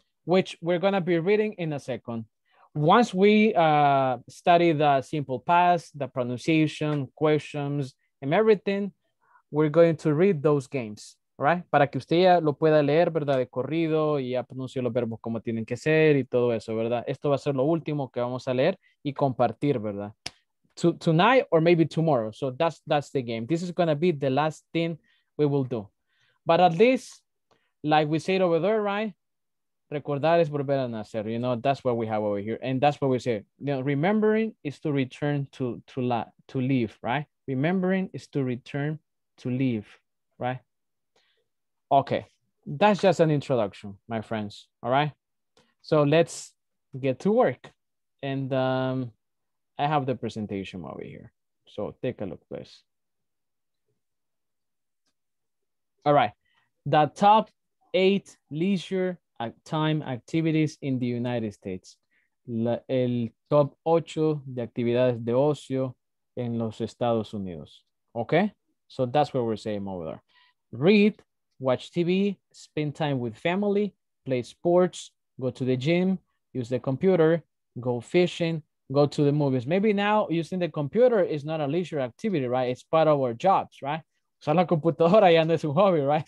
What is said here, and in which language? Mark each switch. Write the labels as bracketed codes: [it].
[en] Which we're gonna be reading in a second. Once we study the simple past, the pronunciation, questions, and everything, we're going to read those games, right? [es] Para que usted ya lo pueda leer, ¿verdad? De corrido y ya pronuncie los verbos como tienen que ser y todo eso, ¿verdad? Esto va a ser lo último que vamos a leer y compartir, ¿verdad? [en] Tonight or maybe tomorrow. So that's the game. This is going to be the last thing we will do. But at least, like we said over there, right? [es] Recordar es volver a nacer. [en] You know, that's what we have over here. And that's what we say. You know, remembering is to return to live, right? Remembering is to return to live, right? Okay. That's just an introduction, my friends. All right? So let's get to work. And I have the presentation over here. So take a look, please. All right. The top 8 leisure time activities in the United States. [es] El top 8 de actividades de ocio en los Estados Unidos. [en] Okay? So that's what we're saying over there. Read, watch TV, spend time with family, play sports, go to the gym, use the computer, go fishing, go to the movies. Maybe now using the computer is not a leisure activity, right? It's part of our jobs, right? So [es] la computadora ya no es un hobby, [en] right?